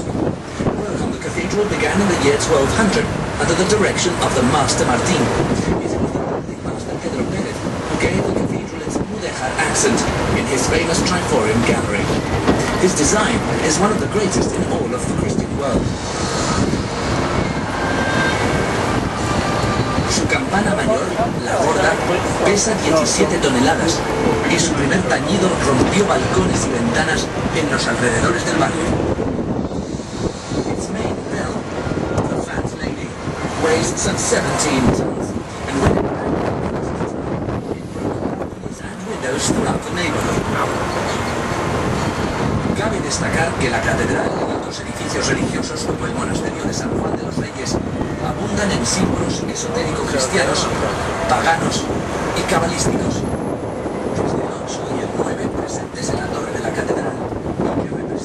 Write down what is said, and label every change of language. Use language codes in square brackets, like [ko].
[en] Work on the cathedral began in the year 1200 under the direction of the Master Martín. It was the early Master Pedro Pérez who gave the cathedral its mudéjar accent in his famous triforium gallery. His design is one of the greatest in all of the Christian world. [es] Su campana mayor, la Gorda, pesa 17 toneladas y su primer tañido rompió balcones y ventanas en los alrededores del barrio. [en] Its main bell, the Fat Lady, weighs some 17 tons. And when it bangs, it broke windows throughout the neighborhood. [es] Cabe destacar que la catedral y otros edificios religiosos como el monasterio de San Juan de los Reyes abundan en símbolos esotérico-cristianos, paganos y cabalísticos. Desde el 8 y el 9 presentes en la torre de la catedral, lo que